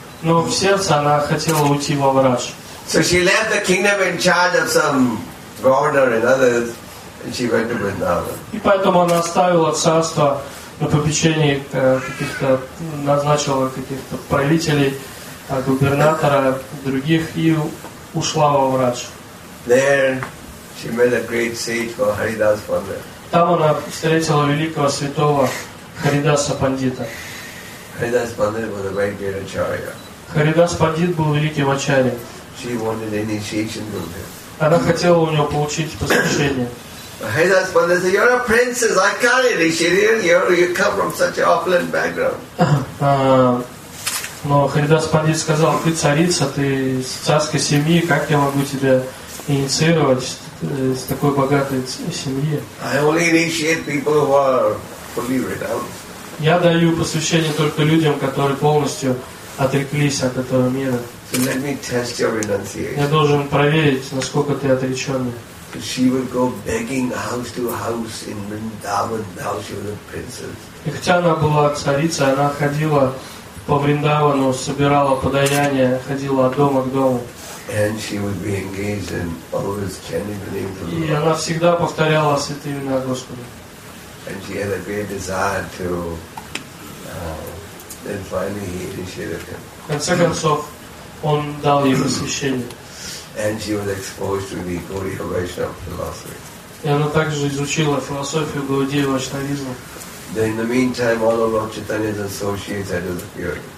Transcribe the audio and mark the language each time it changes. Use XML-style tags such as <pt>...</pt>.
<ru>Но в сердце она хотела уйти во Враж.</ru> <en>So she left the kingdom in charge of some governor and others, and she went to Vrindavan.</en> <ru>И поэтому она оставила царство на попечении каких-то, назначила каких-то правителей, губернатора, других, и ушла во Врадж.</ru> <en>There she met a great sage called Haridas Pandit.</en> <ru>Там она встретила великого святого Харидаса Пандита.</ru> <en>Haridas Pandit was a very great acharya.</en> <ru>Харидас Пандит был великим ачарьей.</ru> <en>She wanted initiation from him.</en> <ru>Она хотела у него получить посвящение.</ru> <en>Haridas Pandit said, "You're a princess. I can't initiate you. You come from such an opulent background."</en> <ru>Но Харидас Пандит сказал, "Ты царица, ты из царской семьи. Как я могу тебя инициировать? из такой богатой семьи.</ru> <en>I only initiate people who are fully renounced.</en> <ru>Я даю посвящение только людям, которые полностью отреклись от этого мира.</ru> <en>So let me test your renunciation.</en> <ru>Я должен проверить, насколько ты отреченный.</ru> <en>So she would go begging house to house in Vrindavan. Now she was a princess.</en> <ru>И хотя она была царицей, она ходила по Вриндавану, собирала подаяние, ходила от дома к дому.</ru> <en>And she would be engaged in always chanting the name of the Lord.</en> <ru>И она всегда повторяла святые имена Господа.</ru> <en>And she had a great desire to. Then finally, he initiated him.</en> <ru>В конце концов, он дал ей посвящение.</ru> <en>And she was exposed to the Gaudiya Vaishnava philosophy.</en> <ru>И она также изучила философию Гаудия Вайшнавизма.</ru> <en>Then in the meantime, all of Lord Chaitanya's associates had disappeared.</en>